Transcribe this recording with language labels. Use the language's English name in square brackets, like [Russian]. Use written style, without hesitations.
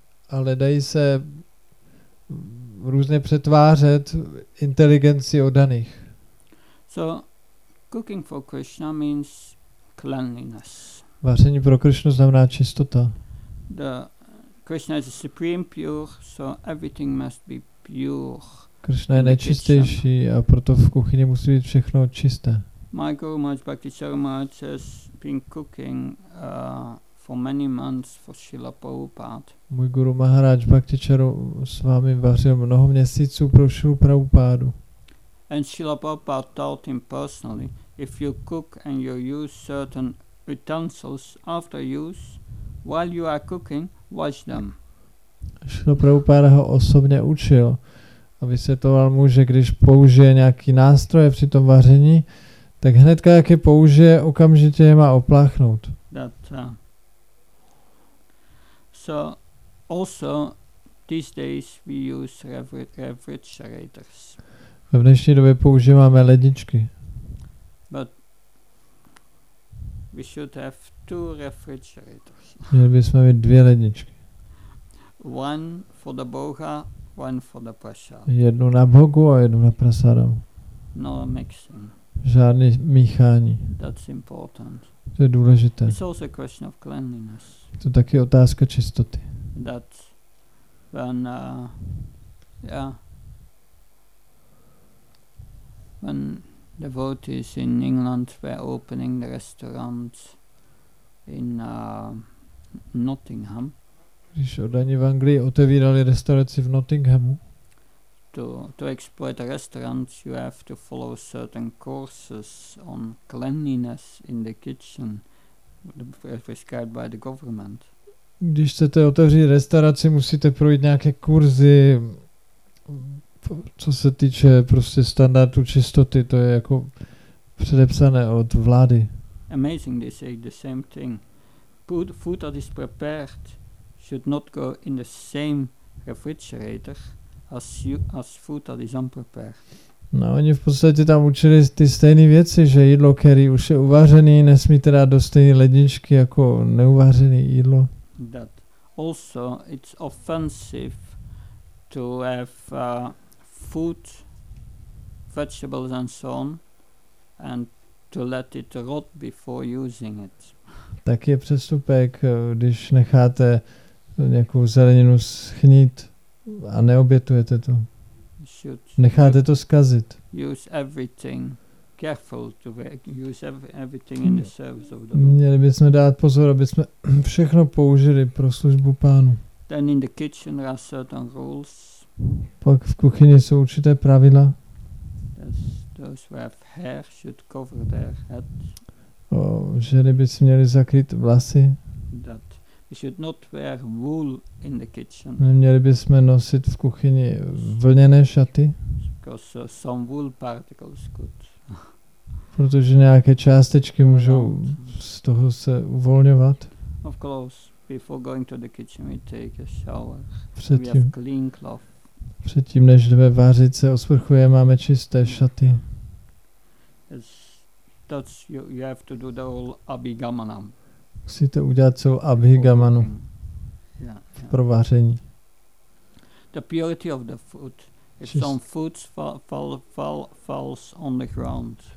[Czech] Ale dají se různě přetvářet inteligenci odaných. [English] So cooking for Krishna means cleanliness. [Czech] Vaření pro Krishnu znamená čistota. [English] The Krishna is the supreme pure, so everything must be pure. [Czech] Krishna je nejčistější a proto v kuchyni musí být všechno čisté. [English] My Guru Maharaj Bhakti Charamaraj has been cooking for many months for Srila Prabhupada. [Czech] Můj guru Maharaj Bhakti Charu s vámi vařil mnoho měsíců pro Srila Prabhupádu. [English] And Srila Prabhupada taught him personally, if you cook and you use certain utensils after use, while you are cooking, wash them. [Czech] Srila Prabhupada ho osobně učil a vysvětloval mu, že když použije nějaký nástroj při tom vaření, tak hnedka jak je použije, okamžitě je má opláchnout. [English] So also these days we use refrigerators. [Czech] V dnešní době používáme ledničky. [English] But we should have two refrigerators. [Czech] Měli bychom mít dvě ledničky. [English] One for the Boga, one for the Prasadam. [Czech] Jednu na Bogu a jednu na Prasadam. [English] No mixing. [Czech] Žádný míchání. [English] That's important. [Czech] To je důležité. [English] It's also a question of cleanliness. [Czech] To je taky otázka čistoty. [English] That when when devotees in England were opening the restaurants in Nottingham. [Czech] Když odani v Anglii otevírali restauraci v Nottinghamu. [English] To exploit a restaurant, you have to follow certain courses on cleanliness in the kitchen prescribed by the government. [Czech] Když chcete otevřít restauraci, musíte projít nějaké kurzy, co se týče prostě standardu čistoty, to je jako předepsané od vlády. [English] Amazing, they say the same thing. Food that is prepared should not go in the same refrigerator as food that is unprepared. [Czech] No, oni v podstatě tam učili ty stejné věci, že jídlo, které už je uvařené, nesmí teda do stejné ledničky jako neuvařené jídlo. [English] That also it's offensive to have food, vegetables and so on, and to let it rot before using it. [Czech] Tak je přestupek, když necháte nějakou zeleninu schnít a neobětujete to. Necháte to zkazit. [English] Use everything. Careful to use everything in the service of the [Czech] Měli bychom dát pozor, aby jsme všechno použili pro službu Pánu. [English] Then in the kitchen there are certain rules. [Czech] Pak v kuchyni jsou určité pravidla. [English] Those who have hair should cover their head. [Czech] Ženy by si měly zakrýt vlasy. [English] That we should not wear wool in the kitchen. [Czech] Neměli bychom nosit v kuchyni vlněné šaty. [English] Because some wool particles could. [Czech] Protože nějaké částečky můžou z toho se uvolňovat. [English] Of course, before going to the kitchen, we take a shower. [Czech] Předtím, [English] we have clean cloth. [Czech] Předtím, než jdeme vářit se, osprchuje, máme čisté šaty. [English] Yes. That's you have to do the whole abhigamanam. [Czech] Musíte udělat celou abhigamanu v provaření. [English] The purity of the food. If some foods falls on the ground.